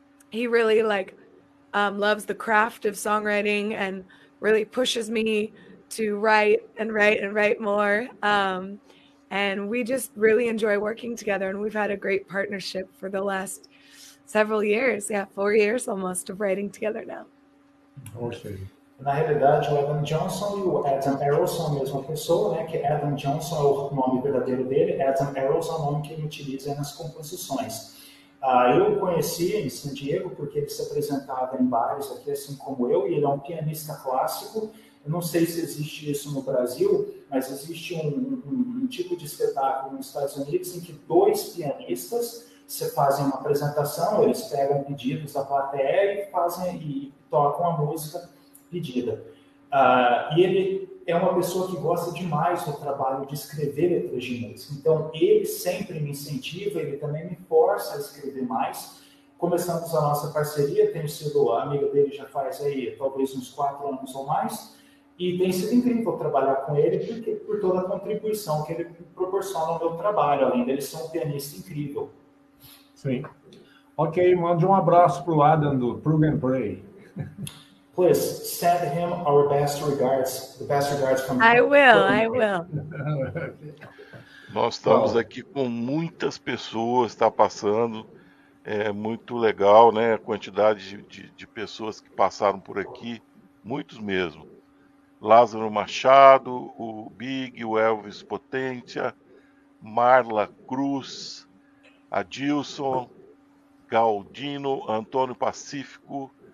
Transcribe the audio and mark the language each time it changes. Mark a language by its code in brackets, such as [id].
[en] He really loves the craft of songwriting and really pushes me to write more. And we just really enjoy working together, and we've had a great partnership for the last several years. Yeah, 4 years almost of writing together now. Awesome. [pt] Na realidade, o Adam Johnson e o Adam Arrows são a mesma pessoa, né? Que Adam Johnson é o nome verdadeiro dele, Adam Arrows é o nome que ele utiliza nas composições. Eu o conheci em San Diego porque ele se apresentava em bares aqui, assim como eu, e ele é um pianista clássico. Eu não sei se existe isso no Brasil, mas existe um tipo de espetáculo nos Estados Unidos em que dois pianistas se fazem uma apresentação, eles pegam pedidos da plateia e fazem e tocam a música pedida. E ele é uma pessoa que gosta demais do trabalho de escrever letras de música. Então, ele sempre me incentiva, ele também me força a escrever mais. Começamos a nossa parceria, tenho sido amiga dele já faz aí talvez uns 4 anos ou mais, e tem sido incrível trabalhar com ele porque, por toda a contribuição que ele proporciona ao meu trabalho, além dele ser um pianista incrível. Sim. Ok, mande um abraço para o Adam do Prog and Pray. [en] Please send him our best regards. The best regards from. I will. [pt] Nós estamos aqui com muitas pessoas, está passando. É muito legal, né? A quantidade de pessoas que passaram por aqui, muitos mesmo. Lázaro Machado, o Big, o Elvis Potência, Marla Cruz, Adilson, Galdino, Antônio Pacífico.